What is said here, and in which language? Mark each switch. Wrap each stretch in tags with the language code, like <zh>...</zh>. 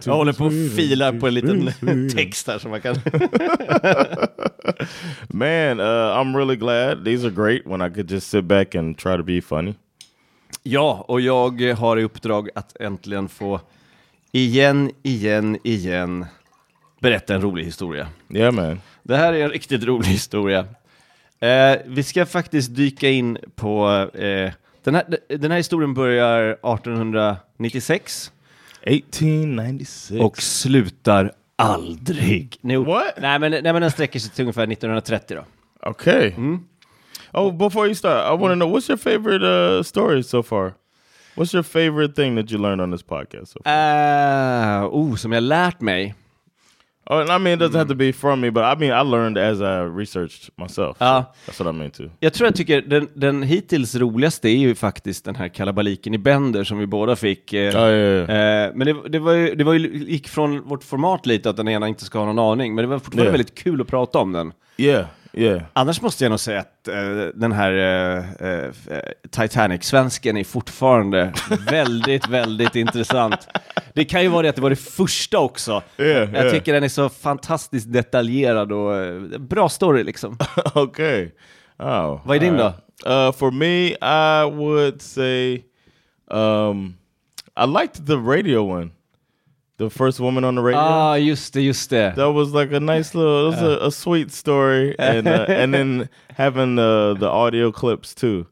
<sv>Jag håller på att fila på en liten text här som man kan...</sv> <en>Man, I'm really glad. These are great when I could just sit back and try to be funny.</en> <sv>Ja, och jag har i uppdrag att äntligen få igen... berätta en rolig historia.</sv> <en>Yeah, man.</en> <sv>Det här är en riktigt rolig historia. Vi ska faktiskt dyka in på... Den här historien börjar 1896. 1896. Och slutar aldrig.</sv> <en>What?</en> <sv>Nej, men den sträcker sig till ungefär 1930 då. Okej. Okay.</sv> <en>Mm. Oh, before you start, I want to know, what's your favorite story so far? What's your favorite thing that you learned on this podcast so far?</en> <sv>Som jag lärt mig...</sv> <en>Oh, and I mean, it doesn't have to be from me, but I mean, I learned as I researched myself.</en> <sv>Ja.</sv> <en>That's what I mean too.</en> <sv>Jag tror jag tycker den hittills roligaste är ju faktiskt den här kalabaliken i Bender som vi båda fick. Men det var ju gick från vårt format lite att den ena inte ska ha någon aning, men det var fortfarande väldigt kul att prata om den.</sv> <en>Yeah, yeah.</en> <sv>Annars måste jag nog säga att den här Titanic-svensken är fortfarande väldigt, väldigt intressant. Det kan ju vara det att det var det första också.</sv> <en>Yeah,</en> <sv>jag tycker den är så fantastiskt detaljerad och bra story liksom. Okej. Okay. Oh, vad är din då?</sv> <en>For me, I would say I liked the radio one. The first woman on the radio.</en> <sv>Ah, just det.</sv> <en>That was like a nice little, a sweet story. And then having the audio clips too.</en>